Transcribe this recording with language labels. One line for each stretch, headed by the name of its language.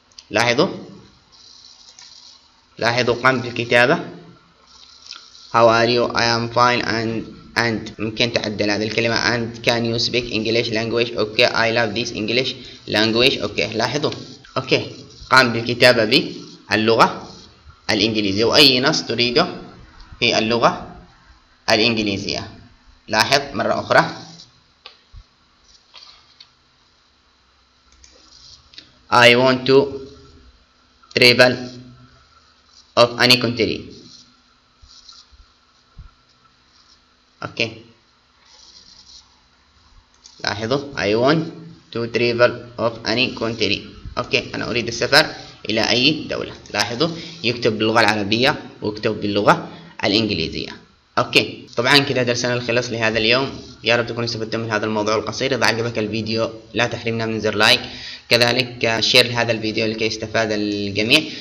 Arabic: لاحظوا لاحظوا قام بالكتابة.
English: How are you? I am fine.
Arabic: And ممكن تعدل هذه الكلمة.
English: And can you speak English language? Okay. I love this English language. Okay. لاحظوا. Okay.
Arabic: قام بالكتابة باللغة الإنجليزية. وأي نص تريده في اللغة الإنجليزية. لاحظ مرة أخرى.
English: I want to travel of any country. Okay.
Arabic: لاحظوا.
English: I want to travel of any country. Okay.
Arabic: أنا أريد السفر إلى أي دولة. لاحظوا. يكتب باللغة العربية ويكتب باللغة الإنجليزية.
English: Okay.
Arabic: طبعا كده درسنا الخلاص لهذا اليوم. يا رب تكونوا استفدتم من هذا الموضوع القصير. إذا عجبك الفيديو لا تحرمنا من زر لايك. كذلك شير هذا الفيديو لكي يستفاد الجميع.